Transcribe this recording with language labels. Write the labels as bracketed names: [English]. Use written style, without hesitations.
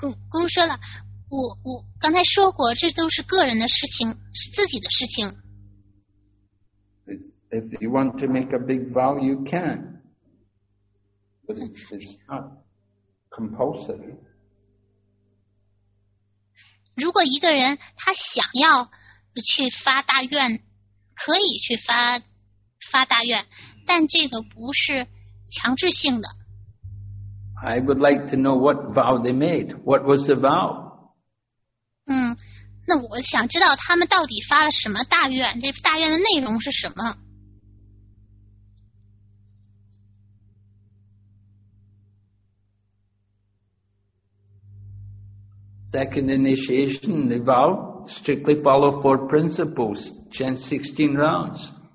[Chinese] 姑说了，我刚才说过，这都是个人的事情，是自己的事情。 [English] If you want to make a big vow, you can. But it's not compulsory. [Chinese] 如果一个人他想要去发大愿，可以去发大愿。但这个不是强制性的。 [English] I would like to know what vow they made. What was the vow? [Chinese] 那我想知道他们到底发了什么大愿，这大愿的内容是什么。 [English] Second initiation, the vow, strictly follow four principles, chant 16 rounds.